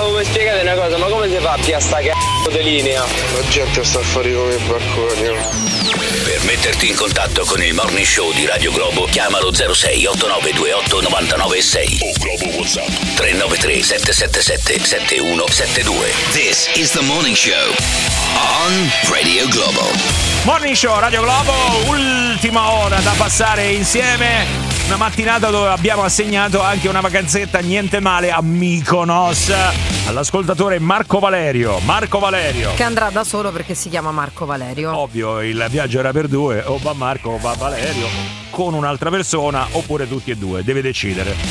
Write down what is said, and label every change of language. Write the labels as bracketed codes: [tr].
[it] Oh, mi spiegate una cosa, ma come si fa a piastare c***o di linea? La gente sta fuori come il barconio. Per metterti in contatto con il Morning Show di Radio Globo, chiamalo 06 8928 996 o Globo WhatsApp 393 777 7172. [en] This is the Morning Show on Radio Globo. [it] Morning Show Radio Globo, ultima ora da passare insieme. Una mattinata dove abbiamo assegnato anche una vacanzetta, niente male, a Mykonos, all'ascoltatore Marco Valerio. Marco Valerio. Che andrà da solo perché si chiama Marco Valerio. Ovvio, il viaggio era per due, o va Marco o va Valerio, con un'altra persona, oppure tutti e due, deve decidere.